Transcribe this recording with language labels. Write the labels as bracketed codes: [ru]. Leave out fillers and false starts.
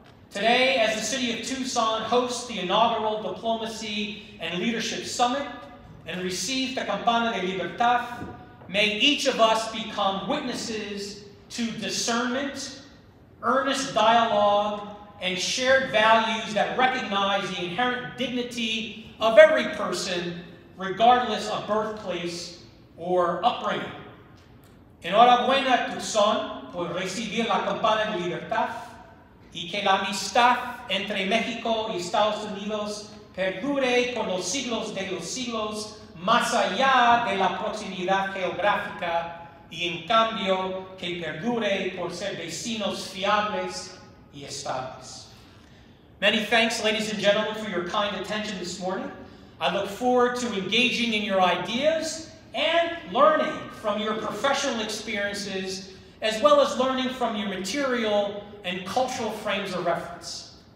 [en] Today, as the city of Tucson hosts the inaugural Diplomacy and Leadership Summit and receives the Campana de Libertad, may each of us become witnesses to discernment, earnest dialogue, and shared values that recognize the inherent dignity of every person, regardless of birthplace or upbringing. [es] Enhorabuena, Tucson, por recibir la Campana de Libertad, y que la amistad entre México y Estados Unidos perdure por los siglos, más allá de la proximidad geográfica, y en cambio, que perdure por ser vecinos fiables y estables. [en] Many thanks, ladies and gentlemen, for your kind attention this morning. I look forward to engaging in your ideas and learning from your professional experiences, as well as learning from your material and cultural frames of reference.